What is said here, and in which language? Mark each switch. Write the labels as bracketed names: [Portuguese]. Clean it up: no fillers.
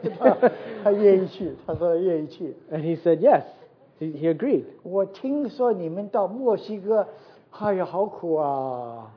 [Chinese] 他醒来了,给我讲对了。他愿意去,他说愿意去。 [English] And he said yes, he agreed. [Chinese] 我听说你们到墨西哥,哎呀,好苦啊。